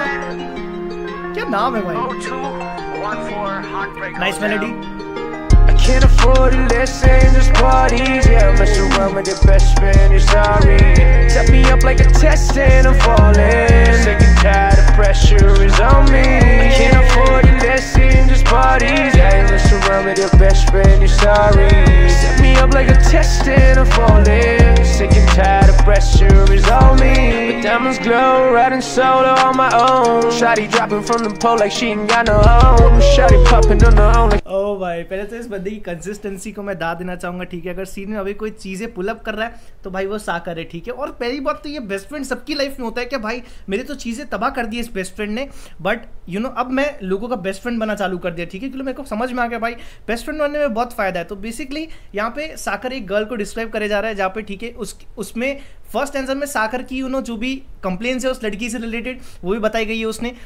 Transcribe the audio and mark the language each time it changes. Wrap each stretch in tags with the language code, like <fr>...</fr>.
<hi>क्या नाम है भाई, nice melody.</hi> <en>Can't afford to listen, this party's, yeah, mess around with your best friend, you're sorry. Set me up like a test and I'm falling, sick and tired of pressure is on me. Can't afford to listen, this party's, yeah, mess around with your best friend, you're sorry. Set me up like a test and I'm falling, sick and tired of pressure is on me. Diamonds glow, riding solo on my own. Shawty dropping from the pole like she ain't got no home. Shawty popping on the own like.</en> <hi>ओ भाई, पहले तो इस बंदे की consistency को मैं दाद देना चाहूंगा, ठीक है। अगर सीन में अभी कोई चीजें पुलअप कर रहा है तो भाई वो सा करे, ठीक है। और पहली बात तो ये बेस्ट फ्रेंड सबकी लाइफ में होता है क्या भाई, मेरे तो चीजें तबाह कर दी इस बेस्ट फ्रेंड ने,</hi> <en>but you know</en> <hi>अब मैं लोगों का बेस्ट फ्रेंड बना चालू कर दिया, ठीक है, क्योंकि मेरे को समझ में आ गया भाई बेस्ट फ्रेंड बनने में बहुत फायदा है। तो बेसिकली यहाँ पे साकर एक गर्ल को डिस्क्राइब करे जा रहा है, जहाँ पे ठीक है उसमें फर्स्ट आंसर में साकर की यू नो जो भी कंप्लेन है उस लड़की से रिलेटेड वो भी बताई गई है उसने।</hi>